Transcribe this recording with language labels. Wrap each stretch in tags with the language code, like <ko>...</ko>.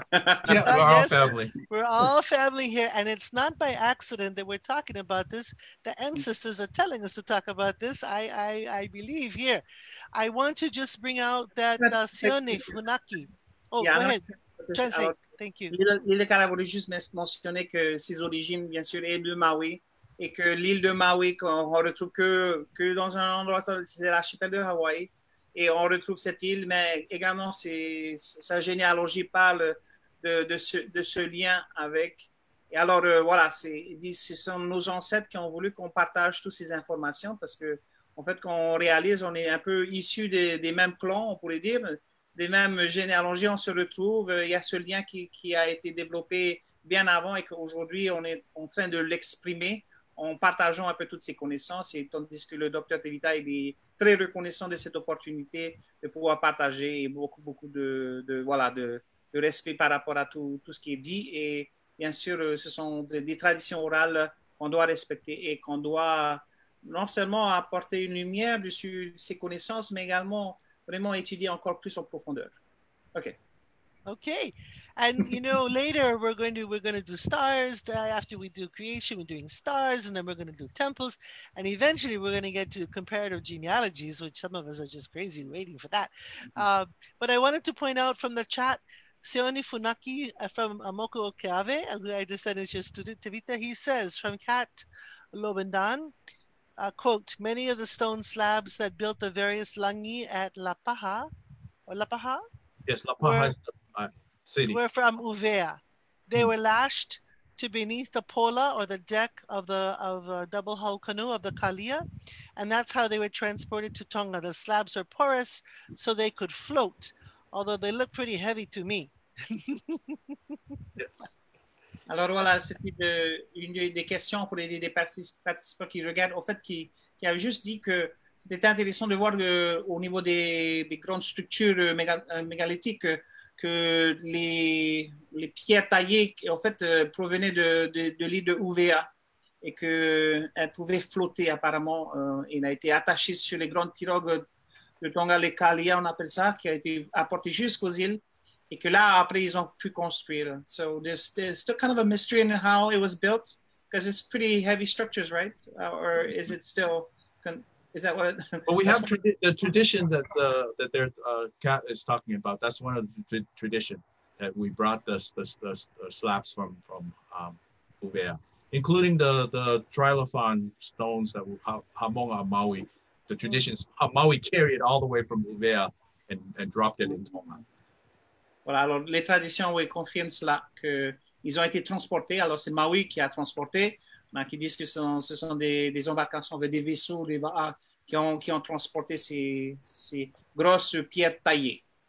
<en>Yeah, we're all family. We're all family here, and it's not by accident that we're talking about this. The ancestors are telling us to talk about this. I believe. Here, I want to just bring out that Sione Funaki. Go ahead. Thank you.</en> <fr>Lilikalā voulait juste mentionner que ses origines, bien sûr, est de Maui, et que l'île de Maui qu'on retrouve que dans un endroit, c'est l'archipel de Hawaii, et on retrouve cette île, mais également sa généalogie parle de ce lien avec. Et alors voilà, ce sont nos ancêtres qui ont voulu qu'on partage toutes ces informations parce que. En fait, quand on réalise, on est un peu issu des mêmes clans, on pourrait dire, des mêmes généalogies, on se retrouve. Il y a ce lien qui a été développé bien avant et qu'aujourd'hui, on est en train de l'exprimer en partageant un peu toutes ces connaissances. Et tandis que le docteur Tevita il est très reconnaissant de cette opportunité de pouvoir partager et beaucoup, beaucoup de respect par rapport à tout ce qui est dit. Et bien sûr, ce sont des traditions orales qu'on doit respecter et qu'on doit... non seulement apporter une lumière dessus ses connaissances, mais également vraiment étudier encore plus en profondeur.</fr> <en>Okay. And you know, later we're going to do stars. After we do creation, we're doing stars, and then we're going to do temples, and eventually we're going to get to comparative genealogies, which some of us are just crazy waiting for that. But I wanted to point out from the chat, Sione Funaki from Amoku Okeawe, who I understand is your student, Tevita. He says from Kat Lobendan. Quote, many of the stone slabs that built the various langi at La Paha? Yes, La Paha city. Were from Uvea. They were lashed to beneath the pola or the deck of a double hull canoe of the Kalia, and that's how they were transported to Tonga. The slabs were porous so they could float, although they look pretty heavy to me. Yes.</en> <fr>Alors voilà, c'était une des questions pour aider des participants qui regardent, au fait, qui a juste dit que c'était intéressant de voir au niveau des grandes structures mégalithiques que les pierres taillées, en fait, provenaient de l'île de Uvea et qu'elles pouvaient flotter apparemment. Il a été attaché sur les grandes pirogues de Tonga, les Kalia, on appelle ça, qui a été apporté jusqu'aux îles. Et que là, après, ils ont pu construire.</fr> <en>So there's still kind of a mystery in how it was built, because it's pretty heavy structures, right? Or is it still, is that what? Well, we have the tradition that their cat is talking about. That's one of the tradition that we brought the slabs from Uvea, including the trilophon stones that were Hamonga Maui. The traditions, Maui carried all the way from Uvea and dropped it in Tonga.</en> <fr>Voilà, alors les traditions, oui, confirment cela, qu'ils ont été transportés. Alors, c'est Maui qui a transporté, hein, qui disent que ce sont des embarcations, des vaisseaux, des va'as, qui ont transporté ces grosses pierres taillées.</fr>